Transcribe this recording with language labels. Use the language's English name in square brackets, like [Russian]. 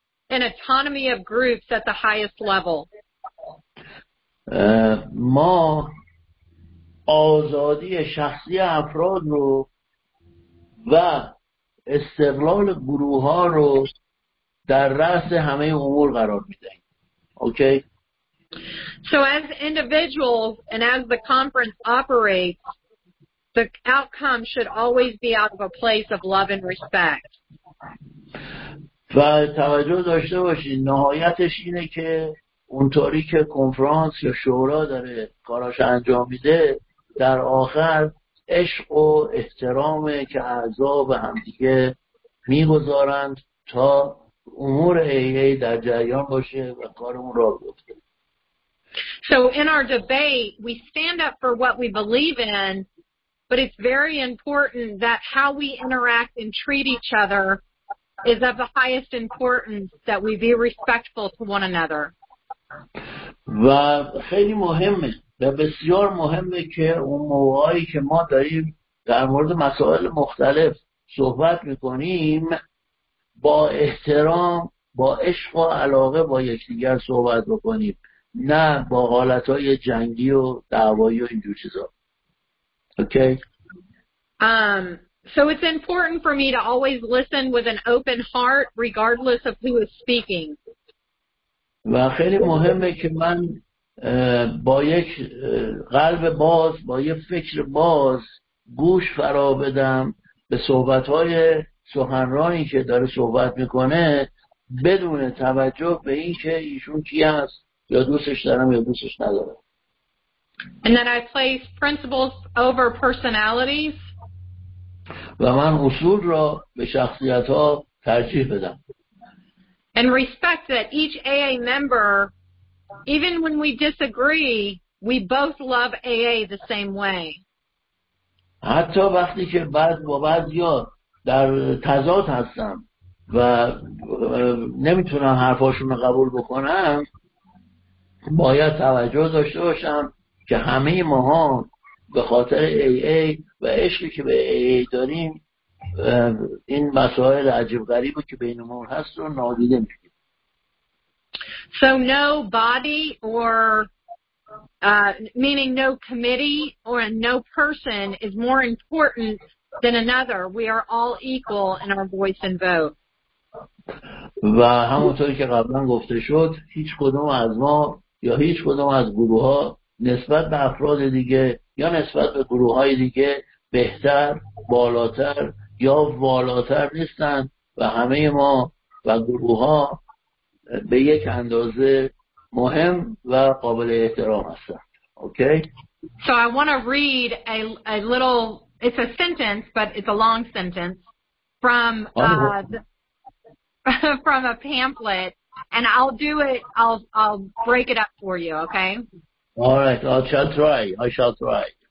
[English] an autonomy of groups at the highest level. [Persian] ما آزادی شخصی افراد رو و استقلال گروه ها رو در رأس همه امور قرار میدهیم. [English] Okay. So as individuals and as the conference operates, the outcome should always be out of a place of love and respect. [Persian] و توجه داشته باشید نهایتش اینه که اونطوری که کنفرانس یا شورا داره کاراش انجام میده در آخر عشق و احترامه که اعضا به همدیگه میگذارند تا امور ایه در جریان باشه و کارمون را بیفته. [English] So in our debate, we stand up for what we believe in, but it's very important that how we interact and treat each other is of the highest importance, that we be respectful to one another. [Persian] و خیلی مهمه و بسیار مهمه که اون موقعی که ما داریم در مورد مسائل مختلف صحبت میکنیم با احترام با عشق و علاقه با یکدیگر صحبت بکنیم نه با حالتهای جنگی و دعوایی و اینجور چیزا. [English] Okay. So it's important for me to always listen with an open heart regardless of who is speaking. [Persian] و خیلی مهمه که من با یک قلب باز با یک فکر باز گوش فرا بدم به صحبت‌های سخنرانی که داره صحبت میکنه بدون توجه به این که ایشون کی هست یا دوستش دارم یا دوستش ندارم. [English] And that I place principles over personalities. [Persian] و من اصول را به شخصیت ها ترجیح بدم. [English] And respect that each AA member, even when we disagree, we both love AA the same way. [Persian] حتی وقتی که بعض با بعض یا در تضاد هستم و نمیتونم حرفاشون رو قبول بکنم باید توجه داشته باشم که همه ماها به خاطر AA و عشقی که به AA داریم این مسائل عجیب غریبی که بین ما هست رو نادیده میگیریم. [English] So no body or meaning no committee or no person is more important than another. We are all equal in our voice and vote. [Persian] و همونطوری که قبلا گفته شد هیچ کدوم از ما یا هیچ کدوم از گروه ها نسبت به افراد دیگه یا نسبت به گروه های دیگه بهتر، بالاتر یا والاتر نیستن و همه ما و گروه ها به یک اندازه مهم و قابل احترام هستند. [English] Okay? So I want to read a little, it's a sentence, but it's a long sentence from a pamphlet. And I'll break it up for you, okay? All right, I shall try.